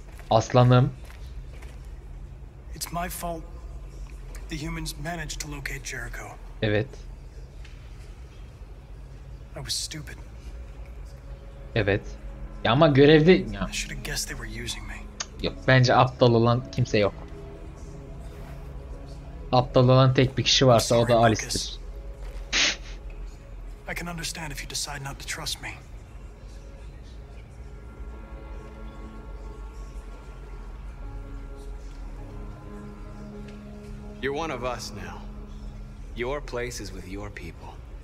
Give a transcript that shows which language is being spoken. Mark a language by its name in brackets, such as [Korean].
[Turkish] Aslanım. [English] It's my fault. The humans managed to locate Jericho. [Turkish] Evet. [English] I was stupid. [Turkish] Evet. Ya ama görevde ya. [English] I should have guessed they were using me. [Turkish] Yok, bence aptal olan kimse yok. Aptal olan tek bir kişi varsa o da Alistair. [English] I can understand if you decide not to trust me. You're one of us now. Your place is with your people.